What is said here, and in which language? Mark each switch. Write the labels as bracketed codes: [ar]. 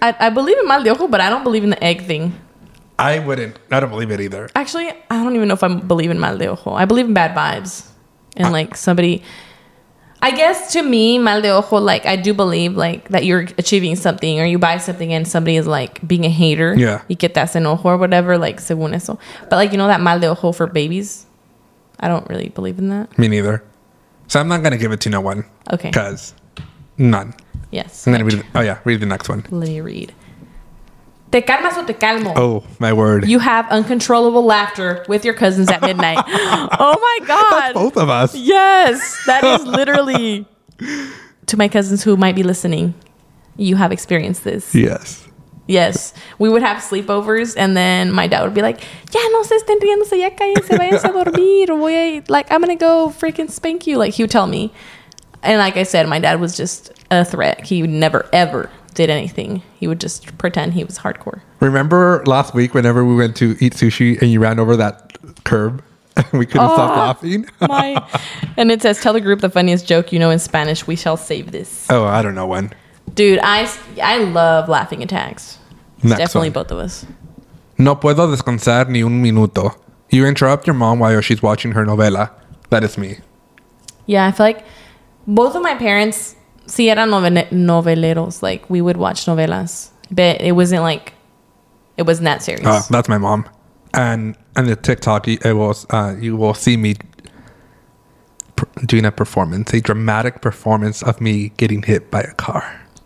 [en] I believe in mal de ojo, but I don't believe in the egg thing. I wouldn't. I don't believe it either. Actually, I don't even know if I believe in mal de ojo. I believe in bad vibes. And, like, somebody... I guess, to me, mal de ojo, like, I do believe, like, that you're achieving something, or you buy something, and somebody is, like, being a hater. Yeah. [es] Y que te hacen ojo [en] or whatever, like, [es] según eso. [en] But, like, you know that mal de ojo for babies? I don't really believe in that. Me neither. So I'm not going to give it to no one. Okay. Because none. Yes. I'm gonna read the next one. Let me read. [es] Te calmas o te calmo. [en] Oh, my word. You have uncontrollable laughter with your cousins at midnight. Oh, my God. That's both of us. Yes. That is literally to my cousins who might be listening. You have experienced this. Yes. Yes, we would have sleepovers, and then my dad would be like, "Yeah, [es] no se estén riéndose, ya cállense, váyanse a dormir, voy a, [en] like, I'm gonna go freaking spank you." Like, he would tell me, and like I said, my dad was just a threat. He never ever did anything. He would just pretend he was hardcore. Remember last week whenever we went to eat sushi and you ran over that curb and we couldn't stop laughing? My, and it says, "Tell the group the funniest joke you know in Spanish. We shall save this." Oh, I don't know when. Dude, I love laughing attacks. It's definitely one. Both of us. [es] No puedo descansar ni un minuto. [en] You interrupt your mom while she's watching her novela. That is me. Yeah, I feel like both of my parents, [es] si eran noveleros, [en] like, we would watch novelas. But it wasn't like, it wasn't that serious. That's my mom. And the TikTok, it was, you will see me doing a performance, a dramatic performance of me getting hit by a car.